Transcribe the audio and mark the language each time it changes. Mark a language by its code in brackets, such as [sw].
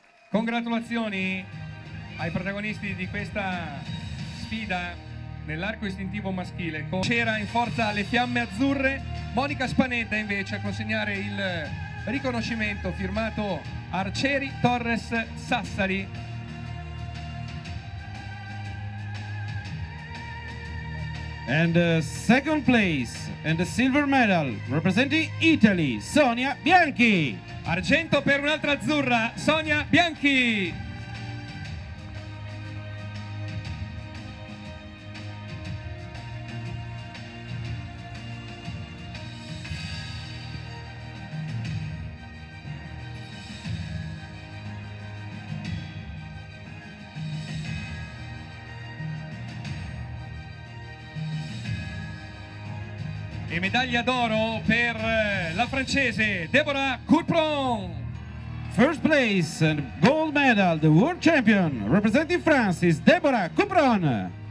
[it] Congratulazioni ai protagonisti di questa sfida nell'arco istintivo maschile. Con cera in forza alle fiamme azzurre, Monica Spanetta invece a consegnare il riconoscimento firmato Arcieri Torres Sassari. [en] And second place and the silver medal representing Italy, Sonia Bianchi. [it] Argento per un'altra azzurra, Sonia Bianchi. E medaglia d'oro per la francese Deborah Coupron. [en] First place and gold medal, the world champion representing France is Deborah Coupron.